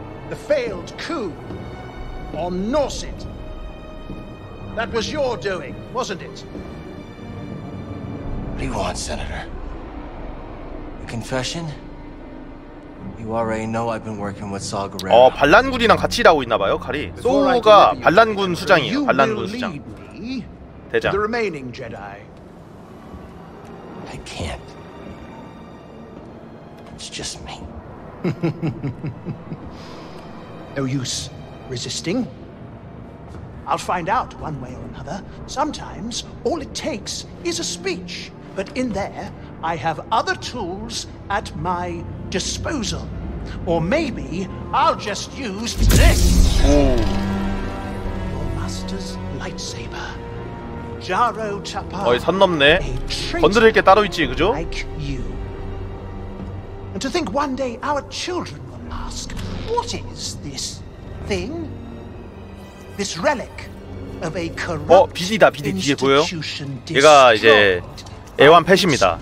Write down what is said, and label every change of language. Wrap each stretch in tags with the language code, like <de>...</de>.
<en>The failed coup on Norset. That was your doing, wasn't it? What do you want, Senator? A confession? You already know I've been working with Saul Guerrero.</en> <ko>어, 반란군이랑 같이 일하고 있나 봐요, 칼이. 소우가 반란군 수장이에요. 반란군 수장. 대장.</ko> <en>The remaining Jedi. I can't. It's just me. No use resisting. I'll find out one way or another. Sometimes all it takes is a speech. But in there, I have other tools at my disposal. Or maybe I'll just use this. Your master's lightsaber. Jaro Tapa.</en> <ko>어이, 선 넘네. 건드릴 게 따로 있지, 그죠?</ko> <en>Like you. And to think one day our children will ask, what is this thing? This relic of a corrupt.</en> <ko>어, 비디다, 비디 뒤에 보여? 얘가 이제 애완 펫입니다.</ko>